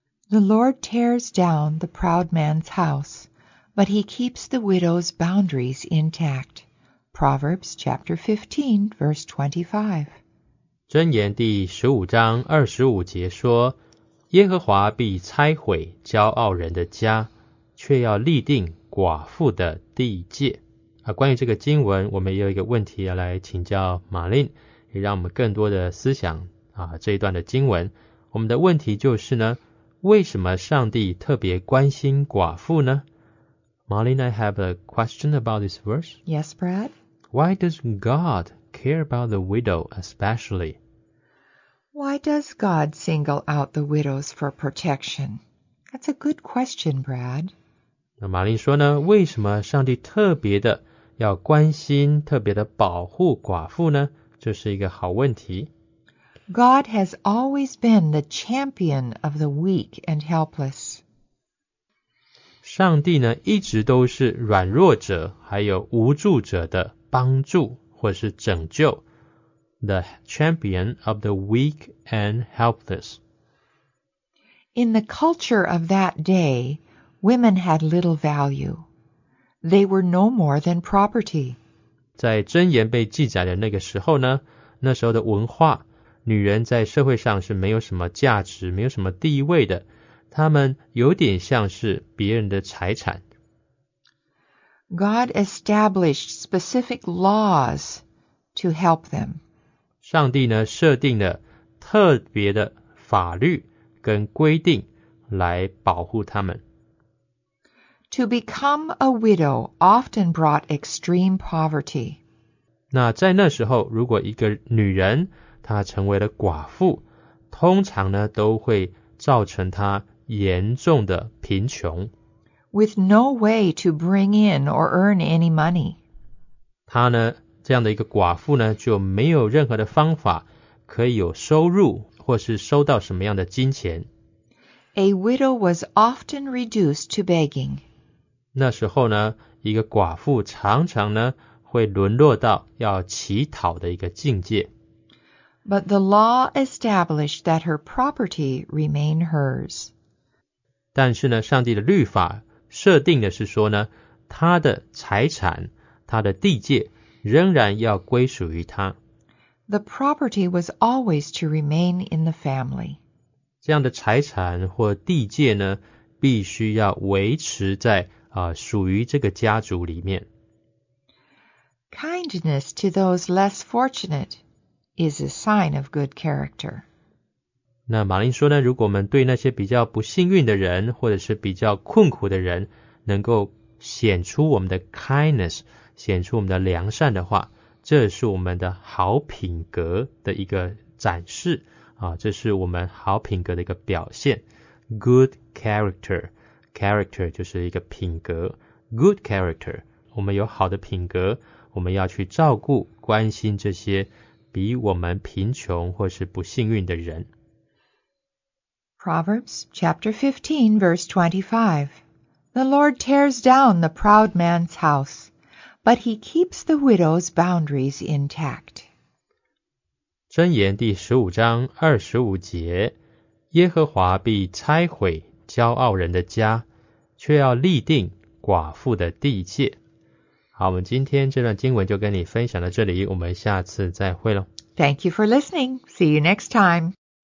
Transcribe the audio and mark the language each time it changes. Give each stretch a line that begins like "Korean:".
English: The Lord tears down the proud man's house, but he keeps the widow's boundaries intact. Proverbs chapter 15, verse 25.
Chinese: 箴言第15章25节说耶和华必拆毁骄傲人的家，却要立定寡妇的地界。关于这个经文，我们也有一个问题要来请教玛琳，也让我们更多的思想这一段的经文。我们的问题就是呢，为什么上帝特别关心寡妇呢？
English: Marlin, I have a question about this verse. Yes, Brad. Why does God care about the widow especially? Why does God single out the widows for protection? That's a good question, Brad.
Chinese: 那马琳说呢，为什么上帝特别的要关心、特别的保护寡妇呢？这是一个好问题。
English: God has always been the champion of the weak and helpless.
Chinese: 上帝呢，一直都是软弱者还有无助者的帮助或是拯救。
English: The champion of the weak and helpless. In the culture of that day, women had little value. They were no more than property.
Chinese: 在箴言被记载的那个时候呢，那时候的文化，女人在社会上是没有什么价值，没有什么地位的。她们有点像是别人的财产。
English: God established specific laws to help them.
Chinese: 上帝呢设定了特别的法律跟规定来保护他们。
English: To become a widow often brought extreme poverty.
Chinese: 那在那时候，如果一个女人她成为了寡妇，通常呢都会造成她严重的贫穷。
English: With no way to bring in or earn any money.
Chinese: 她呢这样的一个寡妇呢，就没有任何的方法可以有收入，或是收到什么样的金钱。
English: A widow was often reduced to begging.
Chinese: 那时候呢，一个寡妇常常呢，会沦落到要乞讨的一个境界。
English: But the law established that her property remain hers.
Chinese: 但是呢，上帝的律法设定的是说呢，她的财产，她的地界仍然要归属于他。
English: The property was always to remain in the family.
Chinese: 这样的财产或地界呢，必须要维持在属于这个家族里面。
English: Kindness to those less fortunate is a sign of good character.
Chinese: 那马琳说呢，如果我们对那些比较不幸运的人，或者是比较困苦的人，能够显出我们的 kindness。显出我们的良善的话，这是我们的好品格的一个展示这是我们好品格的一个表现。 Good character, character 就是一个品格。 Good character, 我们有好的品格，我们要去照顾、关心这些比我们贫穷或是不幸运的人。
English: Proverbs chapter 15 verse 25, The Lord tears down the proud man's house. But he keeps the widow's boundaries intact.
Chinese: 箴言第十五章二十五节，耶和华必拆毁骄傲人的家，却要立定寡妇的地界。好，我们今天这段经文就跟你分享到这里，我们下次再会咯。
English: Thank you for listening. See you next time.